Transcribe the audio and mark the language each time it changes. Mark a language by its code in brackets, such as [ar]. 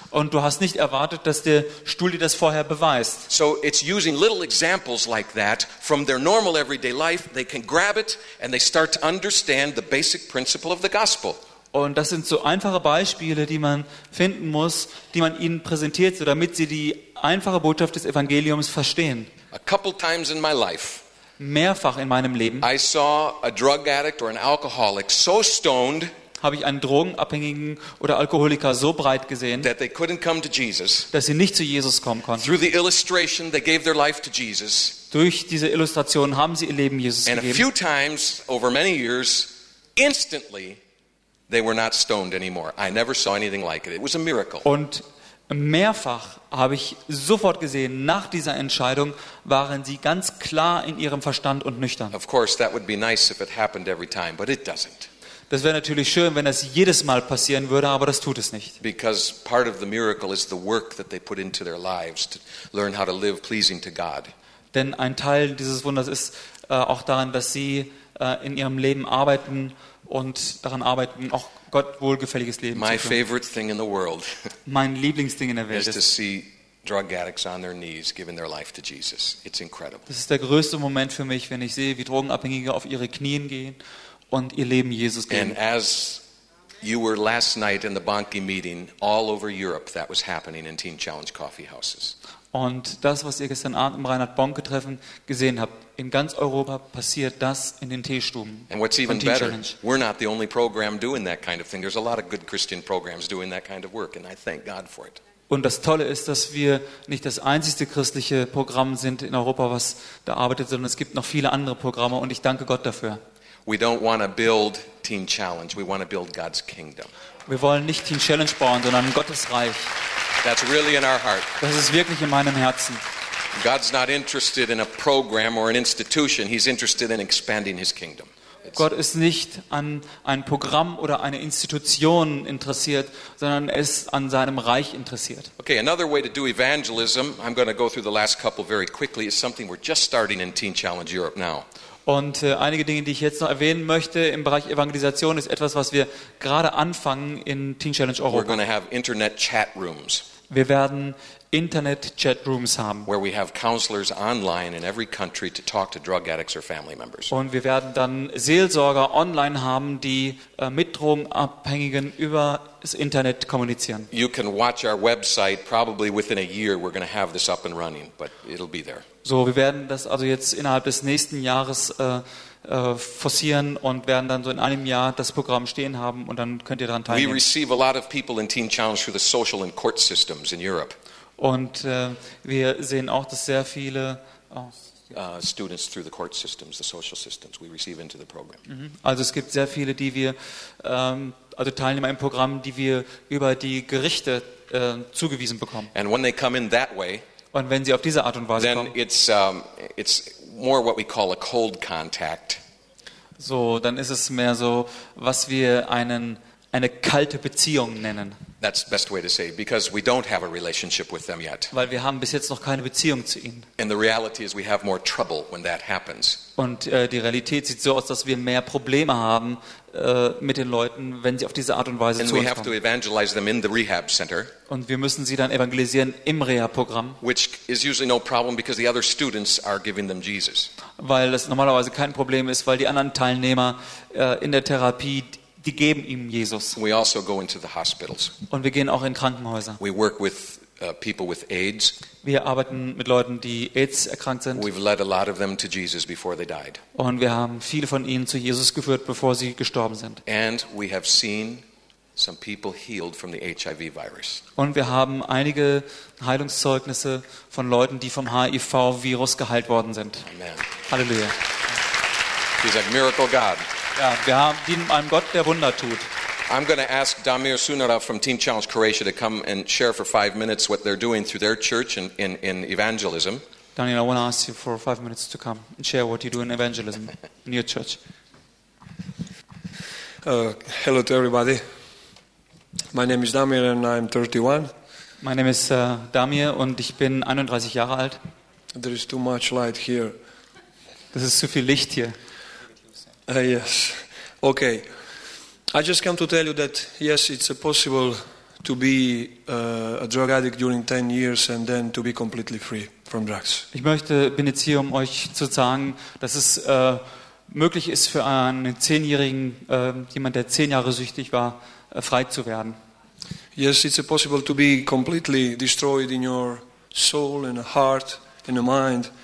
[de] Und du hast nicht erwartet, dass der Stuhl dir das vorher beweist. [en] So it's using little examples like that from their normal everyday life, they can grab it and they start to understand the basic principle of the gospel. [de] Und das sind so einfache Beispiele, die man finden muss, die man ihnen präsentiert, so damit sie die einfache Botschaft des Evangeliums verstehen. [en] A couple times in my life, [de] mehrfach in meinem Leben, [en] I saw a drug addict or an alcoholic so stoned, [de] habe ich einen Drogenabhängigen oder Alkoholiker so breit gesehen, [en] that they couldn't come to Jesus, [de] dass sie nicht zu Jesus kommen konnten. [en] Through the illustration, they gave their life to Jesus. [de] Durch diese Illustration haben sie ihr Leben Jesus [en] And [de] gegeben. [en] A few times over many years, instantly, they were not stoned anymore. I never saw anything like it. It was a miracle. [de] Und mehrfach habe ich sofort gesehen, nach dieser Entscheidung waren sie ganz klar in ihrem Verstand und nüchtern. [en] Of course, that would be nice if it happened every time, but it doesn't. [de] Das wäre natürlich schön, wenn das jedes Mal passieren würde, aber das tut es nicht. [en] Because part of the miracle is the work that they put into their lives to learn how to live pleasing to God. [de] Denn ein Teil dieses Wunders ist auch daran, dass sie in ihrem Leben arbeiten und daran arbeiten, auch Gott wohlgefälliges Leben [en] My [de] zu führen. [en] Favorite thing in the world [de] mein Lieblingsding in der Welt [en] is to see drug addicts on their knees giving their life to Jesus. It's incredible. [de] Das ist der größte Moment für mich, wenn ich sehe, wie Drogenabhängige auf ihre Knien gehen. Und ihr Leben Jesus geben. [en] And as you were last night in the Bonnke meeting, all over Europe, that was happening in Teen Challenge coffee houses. [de] Und das, was ihr gestern Abend im Reinhard Bonnke Treffen gesehen habt, in ganz Europa passiert das in den Teestuben. [en] And what's even better, we're not the only program doing that kind of thing. There's a lot of good Christian programs doing that kind of work, and I thank God for it. [de] Und das Tolle ist, dass wir nicht das einzigste christliche Programm sind in Europa, was da arbeitet, sondern es gibt noch viele andere Programme, und ich danke Gott dafür. [en] We don't want to build Teen Challenge. We want to build God's kingdom. [de] Wir wollen nicht Teen Challenge bauen, sondern Gottes Reich. [en] That's really in our heart. [de] Das ist wirklich in meinem Herzen. [en] God's not interested in a program or an institution. He's interested in expanding his kingdom. [de] Gott ist nicht an ein Programm oder eine Institution interessiert, sondern er ist an seinem Reich interessiert. [en] Okay, another way to do evangelism, I'm going to go through the last couple very quickly, is something we're just starting in Teen Challenge Europe now. [de] Und einige Dinge, die ich jetzt noch erwähnen möchte im Bereich Evangelisation, ist etwas, was wir gerade anfangen in Teen Challenge Europa. [en] We're going to have internet chat rooms. [de] Wir werden Internet-Chatrooms haben. [en] Where we have counselors online in every country to talk to drug addicts or family members. [de] Und wir werden dann Seelsorger online haben, die mit Drogenabhängigen über das Internet kommunizieren. [en] You can watch our website. Probably within a year, we're going to have this up and running, but it'll be there. [de] So, wir werden das also jetzt innerhalb des nächsten Jahres forcieren und werden dann so in einem Jahr das Programm stehen haben und dann könnt ihr daran teilnehmen. [en] We receive a lot of people in Teen Challenge through the social and court systems in Europe. [de] Und wir sehen auch, dass sehr viele [en] Students through the court systems, the social systems, we receive into the program. [de] Also es gibt sehr viele, die wir, also Teilnehmer im Programm, die wir über die Gerichte zugewiesen bekommen. [en] And when they come in that way, [de] und wenn sie auf diese Art und Weise [en] then [de] kommen, [en] it's more what we call a cold contact. [de] So, dann ist es mehr so, was wir eine kalte Beziehung nennen. [en] That's the best way to say it, because we don't have a relationship with them yet. [de] Weil wir haben bis jetzt noch keine Beziehung zu ihnen. [en] And the reality is we have more trouble when that happens. [de] Und die Realität sieht so aus, dass wir mehr Probleme haben mit den Leuten, wenn sie auf diese Art und Weise [en] and [de] zu uns kommen. [en] And we have to evangelize them in the rehab center. [de] Und wir müssen sie dann evangelisieren im Reha-Programm. [en] Which is usually no problem because the other students are giving them Jesus. [de] Weil das normalerweise kein Problem ist, weil die anderen Teilnehmer in der Therapie die geben ihm Jesus. [en] We also go into the hospitals. [de] Und wir gehen auch in Krankenhäuser. [en] We work with people with AIDS. [de] Wir arbeiten mit Leuten, die AIDS erkrankt sind. [en] We've led a lot of them to Jesus before they died. [de] Und wir haben viele von ihnen zu Jesus geführt, bevor sie gestorben sind. [en] And we have seen some people healed from the HIV virus. [de] Und wir haben einige Heilungszeugnisse von Leuten, die vom HIV Virus geheilt worden sind. [en] Amen. [de] Halleluja. [en] He's a miracle God. [de] Ja, wir dienen einem Gott, der Wunder tut. [en] I'm going to ask Damir Sunara from Team Challenge Croatia to come and share for 5 minutes what they're doing through their church in evangelism. Daniel, I want to ask you for 5 minutes to come and share what you do in evangelism in your church. Hello to everybody. My name is Damir and I'm 31. My name is [de] Damir und ich bin 31 Jahre alt. [en] There is too much light here. [de] Das ist zu viel Licht hier. [en] Yes. Okay. I just come to tell you that yes, it's possible to be a drug addict during 10 years and then to be completely free from drugs. [de] Ich möchte bin jetzt hier, um euch zu sagen, dass es möglich ist für einen 10-jährigen jemand, der 10 Jahre süchtig war, frei zu werden. [en] Yes, it's possible to be completely destroyed in your soul and heart and mind.